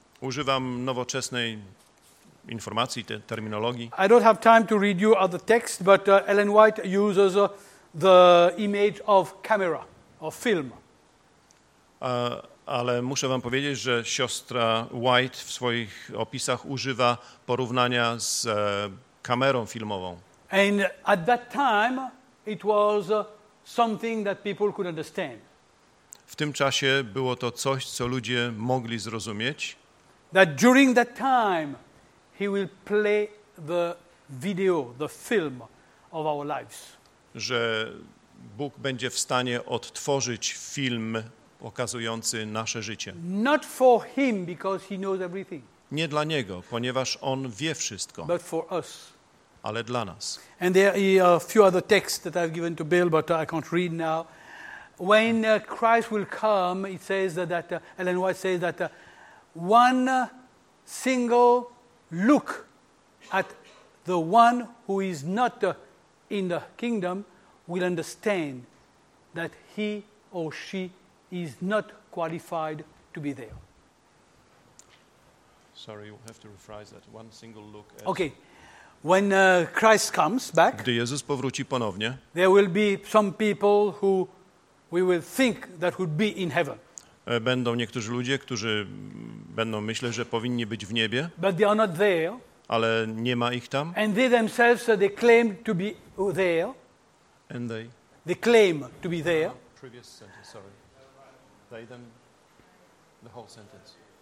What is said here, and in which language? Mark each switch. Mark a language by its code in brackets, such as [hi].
[pl] Używam nowoczesnej informacji, terminologii. [en] I don't have time to read you other text, but Ellen White uses the image of camera, of film. [pl] Ale muszę wam powiedzieć, że siostra White w swoich opisach używa porównania z kamerą filmową. [en] And at that time it was something that people could understand. [pl] W tym czasie było to coś, co ludzie mogli zrozumieć. [en] That during that time he will play the video, the film of our lives. [pl] Że Bóg będzie w stanie odtworzyć film okazujący nasze życie. [en] Not for him, because he knows everything. [pl] Nie dla niego, ponieważ on wie wszystko. [en] But for us. [pl] Ale dla nas. [en] And there are a few other texts that I've given to Bill, but I can't read now. When Christ will come, it says that Ellen White says that one single look at the one who is not in the kingdom will understand that he or she is not qualified to be there. Sorry, you have to rephrase that. One single look at... Okay. When Christ comes back, [pl] gdy Jezus powróci ponownie, [en] there will be some people who we will think that would be in heaven. [pl] Będą niektórzy ludzie, którzy będą myśleć, że powinni być w niebie. [en] But they are not there. [pl] Ale nie ma ich tam. [en] And they themselves, so they claim to be there. And they? They claim to be there. Previous sentence, sorry. They then, the whole sentence.